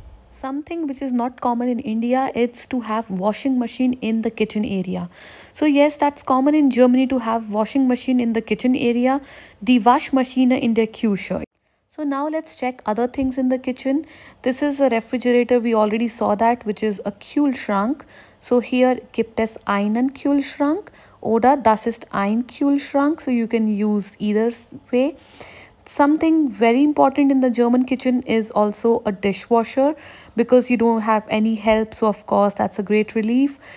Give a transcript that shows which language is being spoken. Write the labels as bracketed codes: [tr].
[en] something which is not common in India, it's to have washing machine in the kitchen area. So yes, that's common in Germany to have washing machine in the kitchen area, [de] die Waschmaschine in der Küche. [en] So now let's check other things in the kitchen. This is a refrigerator, we already saw that, which is a Kühlschrank. So here [de] gibt es einen Kühlschrank oder das ist ein Kühlschrank. [en] So you can use either way. Something very important in the German kitchen is also a dishwasher, because you don't have any help, so of course that's a great relief.